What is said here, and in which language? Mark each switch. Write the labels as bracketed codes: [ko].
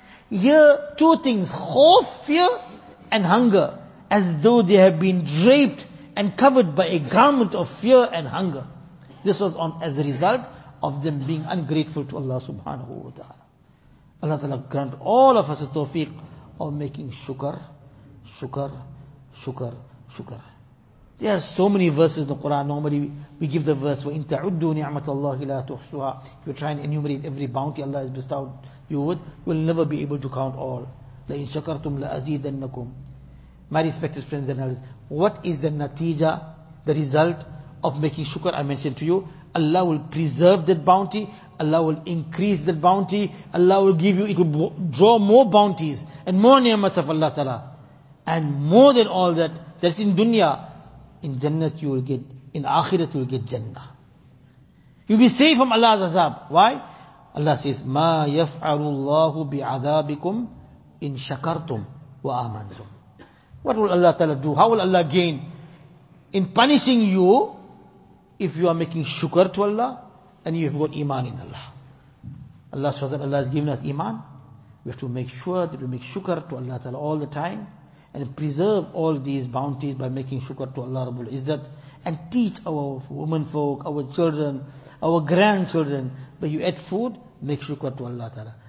[en] Here, two things, khawf, fear, and hunger, as though they have been draped and covered by a garment of fear and hunger. This was on as a result of them being ungrateful to Allah subhanahu wa ta'ala. Allah ta'ala grant all of us a tawfiq of making shukr, shukr, shukr, shukr. There are so many verses in the Quran. Normally we give the verse, [ar] وَإِن تَعُدُّوا نِعْمَةَ اللَّهِ لَا تُحْصُوهَا. [en] If you try and enumerate every bounty Allah has bestowed you with, you will never be able to count all. [ar] لَإِن شَكَرْتُمْ لَأَزِيدَنَّكُمْ. [en] My respected friends and elders, what is the natija, the result of making shukr? I mentioned to you, Allah will preserve that bounty, Allah will increase that bounty, Allah will give you, it will draw more bounties and more ni'mat of Allah Ta'ala. And more than all that, that's in dunya, in jannah you will get, in akhirat you will get jannah. You'll be safe from Allah's azab. Why? Allah says, [ar] مَا يَفْعَلُ اللَّهُ بِعَذَابِكُمْ إِن شَكَرْتُمْ وَآمَنْتُمْ. [en] What will Allah Ta'ala do? How will Allah gain? In punishing you, if you are making shukr to Allah, and you have got iman in Allah. Allah has given us iman. We have to make sure that we make shukr to Allah Ta'ala all the time, and preserve all these bounties by making shukr to Allah Rabbul Izzat, and teach our women folk, our children, our grandchildren, when you eat food, make shukr to Allah Ta'ala.